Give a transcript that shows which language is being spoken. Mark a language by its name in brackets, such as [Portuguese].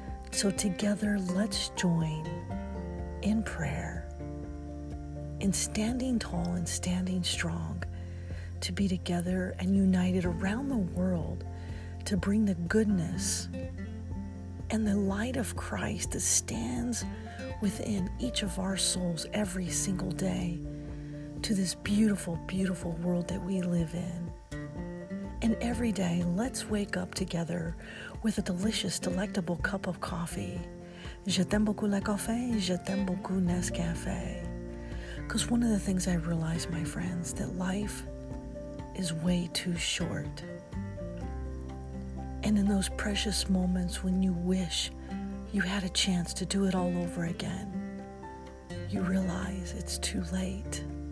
[English] So together, let's join in prayer, in standing tall and standing strong, to be together and united around the world to bring the goodness and the light of Christ that stands within each of our souls every single day to this beautiful, beautiful world that we live in. And every day, let's wake up together with a delicious, delectable cup of coffee. [French] Je t'aime beaucoup le café, je t'aime beaucoup Nescafé. [English] Because one of the things I realized, my friends, that life is way too short. And in those precious moments when you wish you had a chance to do it all over again, you realize it's too late.